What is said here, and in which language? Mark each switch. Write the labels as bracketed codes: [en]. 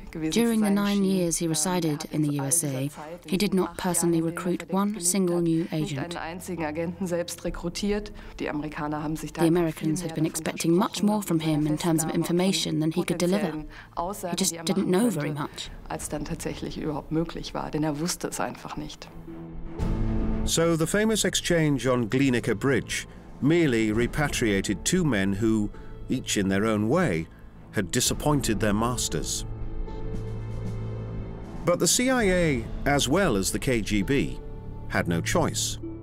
[en] During the 9 years he resided in the USA, he did not personally recruit one single new agent. The Americans had been expecting much more from him in terms of information than he could deliver. He just didn't know very much. [de] Als dann tatsächlich überhaupt möglich war, denn er wusste es einfach nicht. [en] So the famous exchange on Glienicke Bridge merely repatriated two men who, each in their own way, had disappointed their masters. But the CIA, as well as the KGB, had no choice.